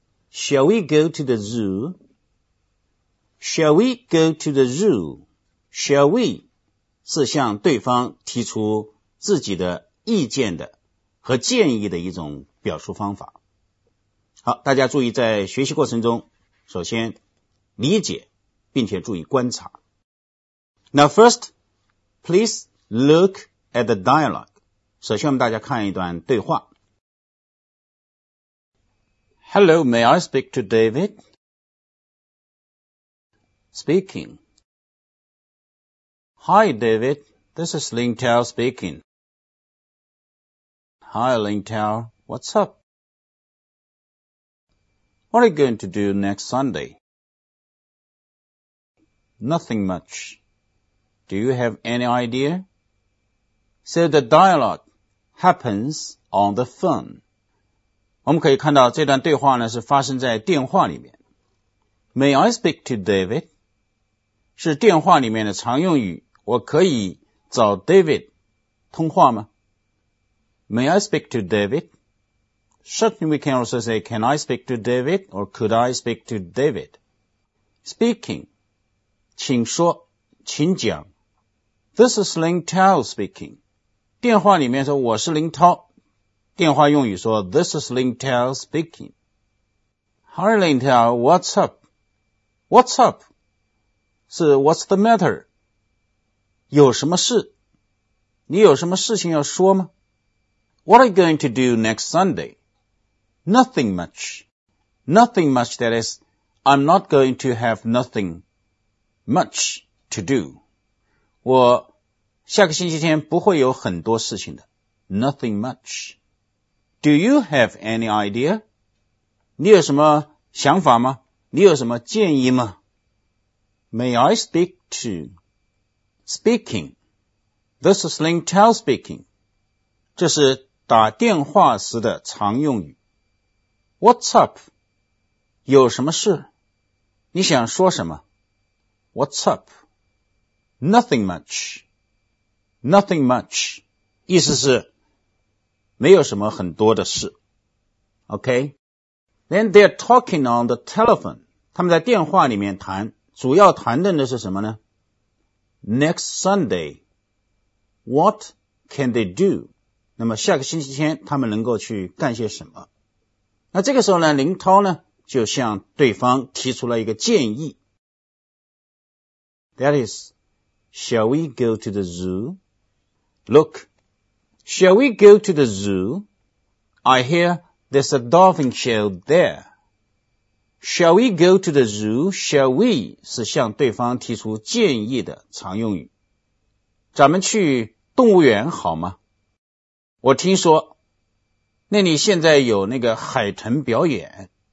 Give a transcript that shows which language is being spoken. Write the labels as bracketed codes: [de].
[en] Shall we go to the zoo? Shall we go to the zoo? Shall we? [zh] 是向对方提出自己的意见的和建议的一种表述方法。好，大家注意，在学习过程中首先理解并且注意观察。 [en] Now first, please look at the dialogue. [zh] 首先我们大家看一段对话。 [en] Hello, may I speak to David? Speaking. Hi David, this is Ling Tao speaking. Hi Ling Tao, what's up? What are you going to do next Sunday? Nothing much. Do you have any idea? So the dialogue happens on the phone. [zh] 我们可以看到这段对话呢是发生在电话里面。 [en] May I speak to David? [zh] 是电话里面的常用语。我可以找 David 通话吗？ [en] May I speak to David? Certainly we can also say, can I speak to David or could I speak to David? Speaking, [zh] 请说请讲。 [en] This is Ling Tao speaking. [zh] 电话里面说我是林涛。电话用语说 [en] This is Ling Tao speaking. Hi Ling Tao, what's up? What's up? 是 what's the matter? [zh] 有什么事？你有什么事情要说吗？ [en] What are you going to do next Sunday? Nothing much. Nothing much, that is, I'm not going to have nothing much to do. [zh] 我下个星期天不会有很多事情的。 [en] Nothing much. Do you have any idea? [zh] 你有什么想法吗？你有什么建议吗？ [en] May I speak to? Speaking. This is Ling Tao speaking. [zh] 这是打电话时的常用语。 [en] What's up? [zh] 有什么事？你想说什么？ [en] What's up? Nothing much. Nothing much. [zh] 意思是没有什么很多的事。 [en] Okay? Then they're talking on the telephone. [zh] 他们在电话里面谈，主要谈论的是什么呢？ [en] Next Sunday. What can they do? [zh] 那么下个星期天他们能够去干些什么？那这个时候呢，林涛呢，就向对方提出了一个建议。 [en] That is, shall we go to the zoo? Look, shall we go to the zoo? I hear there's a dolphin show there. Shall we go to the zoo? Shall we? [zh] 是向对方提出建议的常用语。咱们去动物园好吗？我听说那里现在有那个海豚表演。